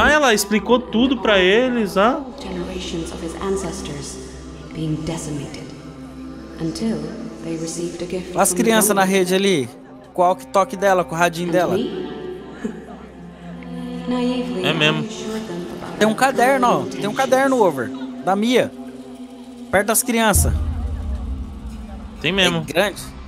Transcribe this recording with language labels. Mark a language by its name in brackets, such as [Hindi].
[Portuguese] Ah, ela explicou tudo para eles, ah? [English] Generations of his ancestors being decimated until they received a gift. [Portuguese] As crianças na rede ali, qual que toque dela, com o radinho dela? É mesmo. Tem um caderno, ó. Tem um caderno, over. Da Mia. Perto das crianças. Tem mesmo. É grande.